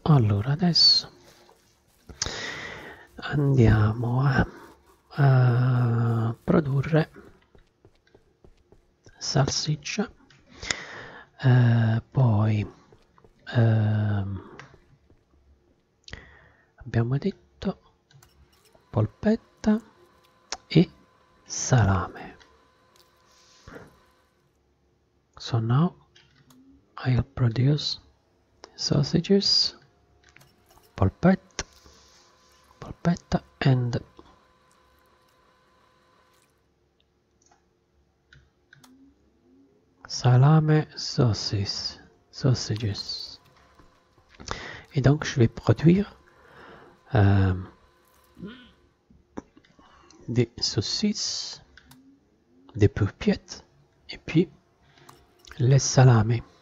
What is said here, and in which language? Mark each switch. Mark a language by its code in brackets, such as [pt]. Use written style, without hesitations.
[it] Allora, adesso andiamo a produrre salsiccia, poi abbiamo detto polpetta salame. [en] So now I'll produce sausages, polpetta and salame, sausages. [fr] Et donc, je vais produire des saucisses, des pourpiettes, et puis les salames.